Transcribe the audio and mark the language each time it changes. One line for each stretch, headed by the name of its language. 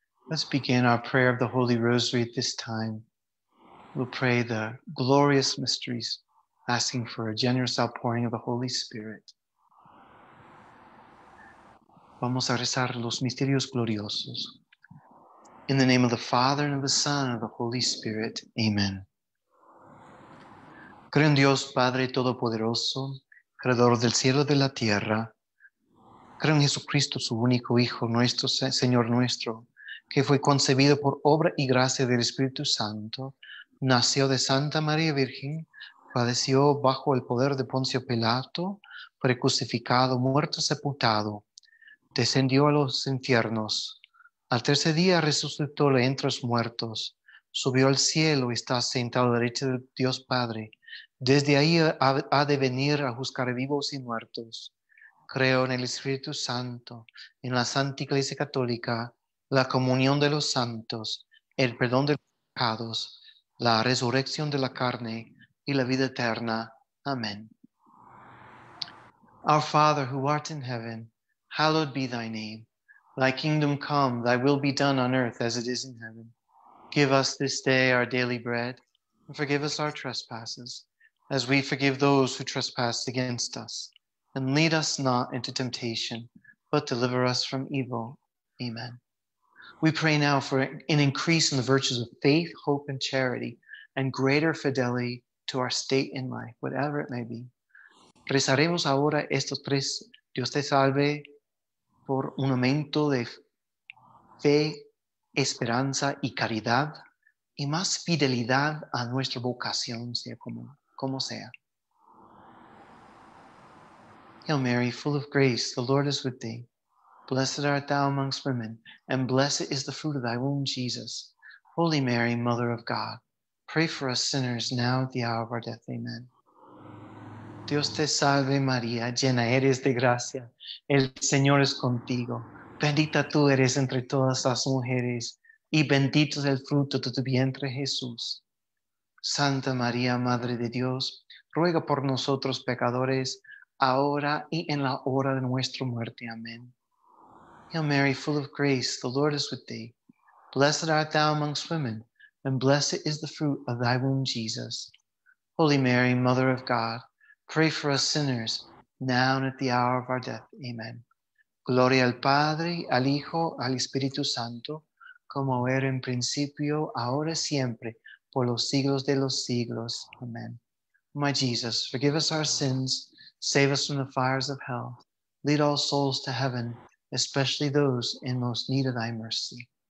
English: Let's begin our prayer of the Holy Rosary at this time. We'll pray the glorious mysteries, asking for a generous outpouring of the Holy Spirit. Vamos a rezar los misterios gloriosos. In the name of the Father, and of the Son, and of the Holy Spirit. Amen.
Spanish: Creo en Dios, Padre Todopoderoso, Creador del cielo y de la tierra. Creo en Jesucristo, su único Hijo, nuestro Señor nuestro, que fue concebido por obra y gracia del Espíritu Santo, nació de Santa María Virgen, padeció bajo el poder de Poncio Pilato, fue crucificado, muerto, sepultado, descendió a los infiernos. Al tercer día resucitó de entre los muertos, subió al cielo y está sentado a la derecha de Dios Padre. Desde ahí ha de venir a juzgar vivos y muertos. Creo en el Espíritu Santo, en la Santa Iglesia Católica, la comunión de los santos, el perdón de los pecados, la resurrección de la carne y la vida eterna. Amén.
English: Our Father, who art in heaven, hallowed be thy name. Thy kingdom come, thy will be done on earth as it is in heaven. Give us this day our daily bread, and forgive us our trespasses, as we forgive those who trespass against us. And lead us not into temptation, but deliver us from evil. Amen. We pray now for an increase in the virtues of faith, hope, and charity, and greater fidelity to our state in life, whatever it may be.
Spanish: Rezaremos ahora estos tres, Dios te salve, por un aumento de fe, esperanza y caridad, y más fidelidad a nuestra vocación, sea como sea.
English: Hail Mary, full of grace, the Lord is with thee. Blessed art thou amongst women, and blessed is the fruit of thy womb, Jesus. Holy Mary, Mother of God, pray for us sinners now at the hour of our death. Amen.
Spanish: Dios te salve, María, llena eres de gracia. El Señor es contigo. Bendita tú eres entre todas las mujeres, y bendito es el fruto de tu vientre, Jesús. Santa María, Madre de Dios, ruega por nosotros pecadores, ahora y en la hora de nuestra muerte. Amén.
English: Hail Mary, full of grace, the Lord is with thee. Blessed art thou amongst women, and blessed is the fruit of thy womb, Jesus. Holy Mary, Mother of God, pray for us sinners, now and at the hour of our death. Amen.
Spanish: Gloria al Padre, al Hijo, al Espíritu Santo, como era en principio, ahora y siempre, por los siglos de los siglos.
English: Amen. My Jesus, forgive us our sins, save us from the fires of hell, lead all souls to heaven, especially those in most need of thy mercy.